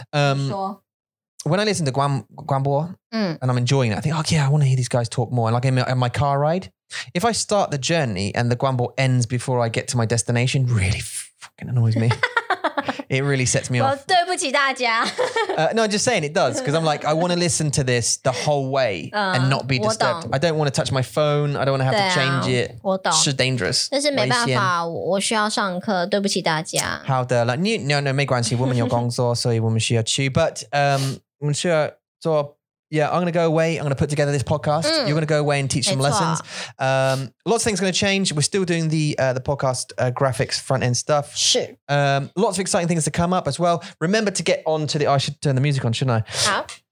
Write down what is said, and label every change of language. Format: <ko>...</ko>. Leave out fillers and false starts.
<en>When I listen to Guanbo and I'm enjoying it, I think, oh yeah, I want to hear these guys talk more. And like in my car ride, if I start the journey and the Guanbo ends before I get to my destination, really fucking annoys me. It really sets me off.</en> <zh>对不起大家.</zh> <en>No, I'm just saying it does because I'm like, I want to listen to this the whole way and not be disturbed. I don't want to touch my phone. I don't want to have to change it.</en> <zh>我懂.</zh> <en>It's dangerous.</en> <zh>但是没办法,我需要上课,对不起大家. 好的,没关系,我们有工作,所以我们需要去.</zh> <en>But,</en> <zh>我们需要做,</zh> <en>yeah, I'm going to go away. I'm going to put together this podcast. You're going to go away and teach some lessons. Lots of things are going to change. We're still doing the podcast graphics front end stuff. Lots of exciting things to come up as well. Remember to get onto the, I should turn the music on, shouldn't I?</en>